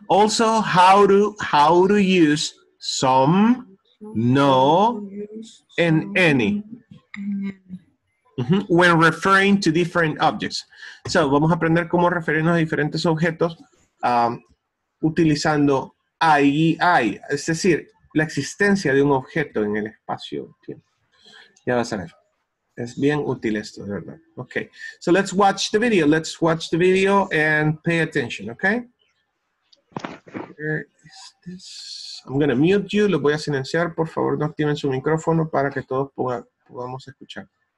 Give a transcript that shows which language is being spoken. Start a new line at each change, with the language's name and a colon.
English: Also, how to use some, no, and any. When referring to different objects.
Spanish: So, vamos a aprender cómo referirnos a diferentes objetos utilizando I, es decir, la existencia de un objeto en el espacio-tiempo. Ya vas a ver. Es bien útil esto, de verdad. Okay.
English: So let's watch the video. Let's watch the video and pay attention, okay? Where is this? I'm going to mute you.
Spanish: Lo voy a silenciar. Por favor, no activen su micrófono para que todos podamos escuchar.